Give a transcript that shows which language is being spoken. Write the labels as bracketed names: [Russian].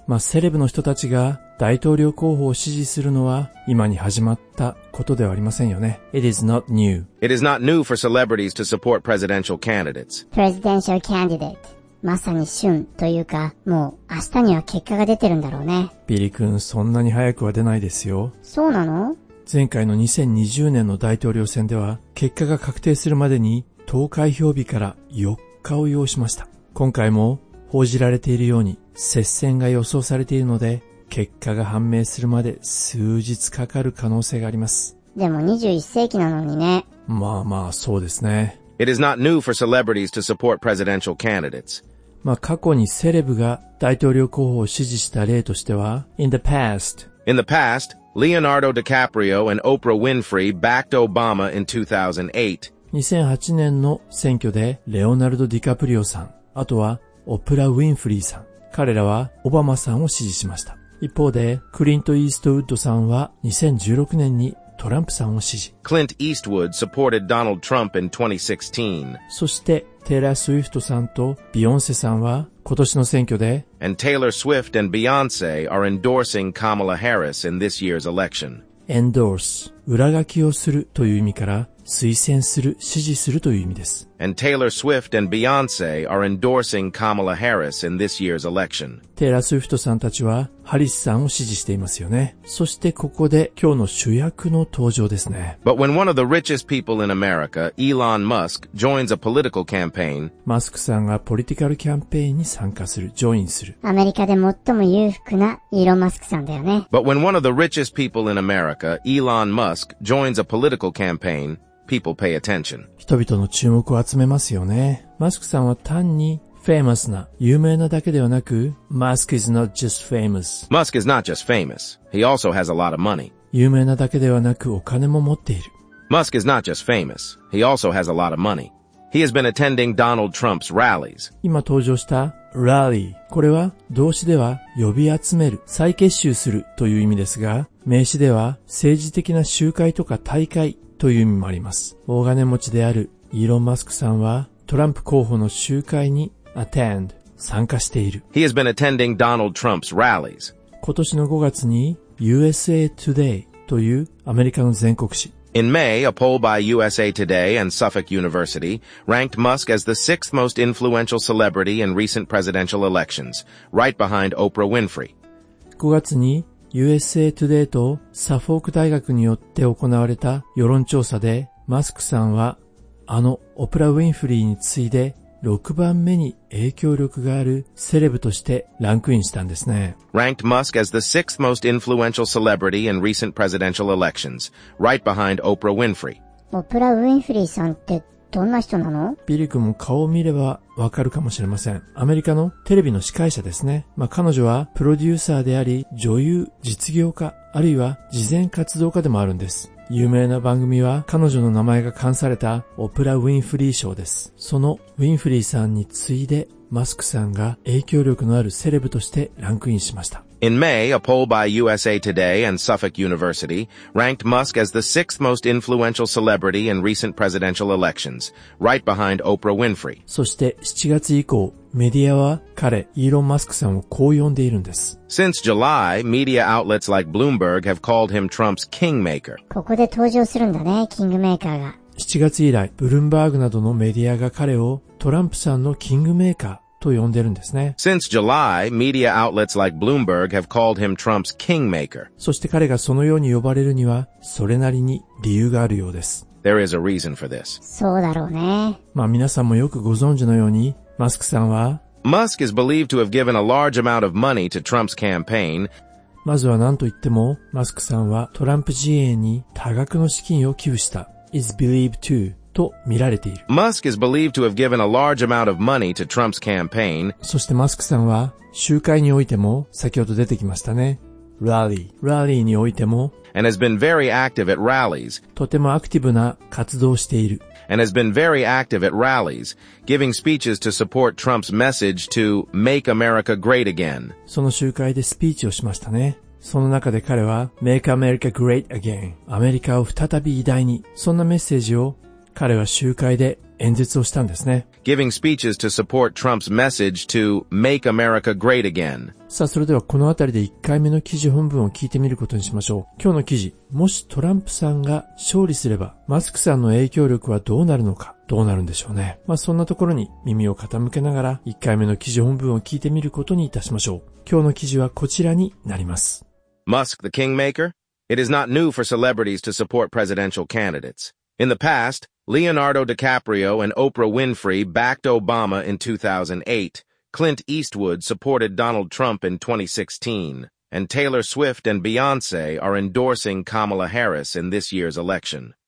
[Japanese] まあ、セレブの人たちが大統領候補を支持するのは今に始まったことではありませんよね。 [English] It is not new. It is not new for celebrities to support presidential candidates. Presidential candidate。 [Japanese] まさに旬というか、もう明日には結果が出てるんだろうね。ビリ君、そんなに早くは出ないですよ。そうなの？前回の2020年の大統領選では結果が確定するまでに投開票日から4日を要しました。今回も報じられているように接戦が予想されているので、結果が判明するまで数日かかる可能性があります。でも21世紀なのにね。まあまあ、そうですね。 [English] It is not new for celebrities to support presidential candidates. [Japanese] まあ、過去にセレブが大統領候補を支持した例としては、 [English] In the past, Leonardo DiCaprio and Oprah Winfrey backed Obama in 2008. [Japanese] 2008年の選挙で、レオナルド・ディカプリオさん、あとはオプラ・ウィンフリーさん、彼らはオバマさんを支持しました。一方で、クリント・イーストウッドさんは2016年にトランプさんを支持。 [English] Clint Eastwood supported Donald Trump in 2016. [Japanese] そして、テイラー・スウィフトさんとビヨンセさんは今年の選挙で、 [English] And Taylor Swift and Beyonce are endorsing Kamala Harris in this year's election. [Japanese] Endorse、裏書きをするという意味から、推薦する、支持するという意味です。 [English] And Taylor Swift and Beyonce are endorsing Kamala Harris in this year's election. [Japanese] テイラー・スウィフトさんたちはハリスさんを支持していますよね。そしてここで今日の主役の登場ですね。 [English] But when one of the richest people in America, Elon Musk, joins a political campaign, [Japanese] マスクさんがポリティカルキャンペーンに参加する、ジョインする。アメリカで最も裕福なイーロン・マスクさんだよね。 [English] But when one of the richest people in America, Elon Musk, joins a political campaign,People pay attention. [Japanese] 人々の注目を集めますよね。マスクさんは単にフェイマスな、有名なだけではなく、 [English] Musk is not just famous. Musk is not just famous. He also has a lot of money. [Japanese] 有名なだけではなく、お金も持っている。 [English] Musk is not just famous. He also has a lot of money. He has been attending Donald Trump's rallies. [Japanese] 今登場した rally。これは動詞では呼び集める、再結集するという意味ですが、名詞では政治的な集会とか大会、という意味もあります。大金持ちであるイーロン・マスクさんはトランプ候補の集会に attend、参加している。 [English] He has been attending Donald Trump's rallies. [Japanese] 今年の5月に USA Today というアメリカの全国紙。 [English] In May, a poll by USA Today and Suffolk University ranked Musk as the sixth most influential celebrity in recent presidential elections, right behind Oprah Winfrey. [Japanese] 5月にUSA Today とサフォーク大学によって行われた世論調査で、マスクさんはあのオプラ・ウィンフリーに次いで6番目に影響力があるセレブとしてランクインしたんですね。 [English] Ranked Musk as the sixth most influential celebrity in recent presidential elections, right behind Oprah Winfrey. [Japanese] オプラ・ウィンフリーさんってどんな人なの？ビリ君も顔を見ればわかるかもしれません。アメリカのテレビの司会者ですね。まあ、彼女はプロデューサーであり、女優、実業家、あるいは慈善活動家でもあるんです。有名な番組は彼女の名前が冠されたオプラ・ウィンフリー賞です。そのウィンフリーさんに次いでマスクさんが影響力のあるセレブとしてランクインしました。 [English] In May, a poll by USA Today and Suffolk University ranked Musk as the sixth most influential celebrity in recent presidential elections, right behind Oprah Winfrey. [Japanese] そして7月以降、メディアは彼、イーロン・マスクさんをこう呼んでいるんです。 [English] Since July, media outlets like Bloomberg have called him Trump's kingmaker. [Japanese] ここで登場するんだね、キングメーカーが。 7月以来、ブルームバーグなどのメディアが彼をトランプさんのキングメーカーと呼んでるんですね。 [English] Since July, media outlets like Bloomberg have called him Trump's kingmaker. [Japanese] そして彼がそのように呼ばれるには、それなりに理由があるようです。 [English] There is a reason for this. [Japanese] そうだろうね。まあ皆さんもよくご存知のように、マスクさんは、 [English] Musk is believed to have given a large amount of money to Trump's campaign. [Japanese] まずは何と言っても、マスクさんはトランプ陣営に多額の資金を寄付した。 [English] is believed to. [Japanese] と見られている。 [English] Musk is believed to have given a large amount of money to Trump's campaign. [Japanese] そしてマスクさんは集会においても先ほど出てきましたね。 Rally においても [English] And has been very active at rallies. [Japanese] とてもアクティブな活動をしている。 [English] And has been very active at rallies, giving speeches to support Trump's message to make America great again. [Japanese] その集会でスピーチをしましたね。その中で彼は [English] Make America great again. [Japanese] アメリカを再び偉大に。そんなメッセージを彼は集会で演説をしたんですね。 [English] Giving speeches to support Trump's message to make America great again. [Japanese] さあ、それではこのあたりで1回目の記事本文を聞いてみることにしましょう。今日の記事、もしトランプさんが勝利すれば、マスクさんの影響力はどうなるのか、どうなるんでしょうね。まあ、そんなところに耳を傾けながら、1回目の記事本文を聞いてみることにいたしましょう。今日の記事はこちらになります。 [English] Musk the Kingmaker? It is not new for celebrities to support presidential candidates. In the past,Leonardo DiCaprio and Oprah Winfrey backed Obama in 2008. Clint Eastwood supported Donald Trump in 2016. And Taylor Swift and Beyonce are endorsing Kamala Harris in this year's election.